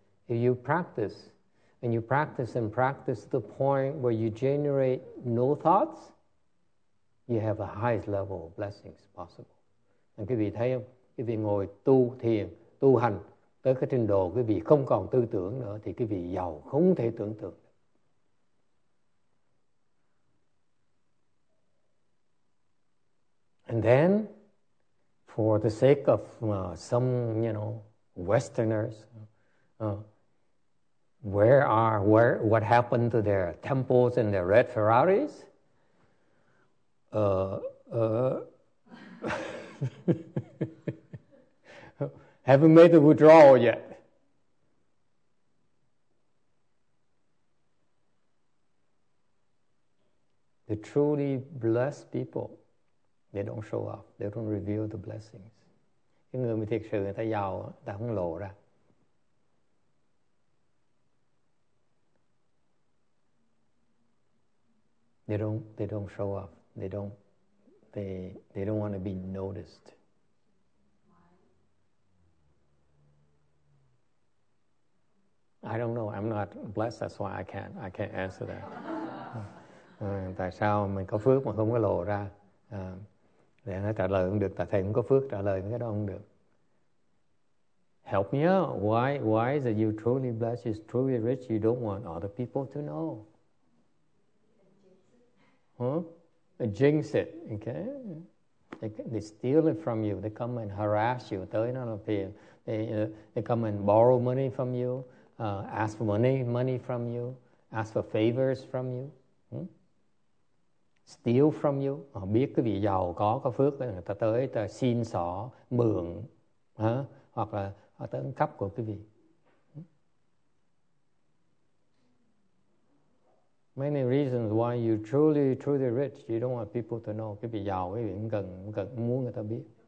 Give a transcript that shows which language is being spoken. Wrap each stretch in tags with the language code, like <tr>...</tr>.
<en>If you practice, and you practice and practice to the point where you generate no thoughts, you have the highest level of blessings possible.</en> <vi>And quý vị thấy không? Quý vị ngồi tu thiền, tu hành tới cái trình độ quý vị không còn tư tưởng nữa thì quý vị giàu không thể tưởng tượng.</vi> <en>And then, for the sake of some Westerners, what happened to their temples and their red Ferraris? haven't made the withdrawal yet. The truly blessed people, they don't show up. They don't reveal the blessings.</en> <vi>Cái người mà thiệt sự người ta giàu, ta không lộ ra.</vi> <en>They don't show up. They don't want to be noticed. I don't know. I'm not blessed. That's why I can't answer that.</en> <vi>Tại sao mình có phước mà không có lộ ra? Để nó trả lời không được, tại thầy cũng có phước trả lời cái đó không được.</vi> <en>Help me out. Why is it you truly blessed, you're truly rich, you don't want other people to know? Huh? Jinx it, okay? They steal it from you. They come and harass you.</en> <vi>Tới nó là phiền.</vi> <en>They come and borrow money from you, ask for money from you, ask for favors from you. Steal from you.</en> <vi>Họ biết cái vị giàu có phước, người ta tới ta xin xỏ, mượn, hoặc là họ tới ăn cắp của cái vị.</vi> <en>Many reasons why you truly, truly rich, you don't want people to know.</en> <vi>Cái vị giàu, cái vị cần muốn người ta biết.</vi>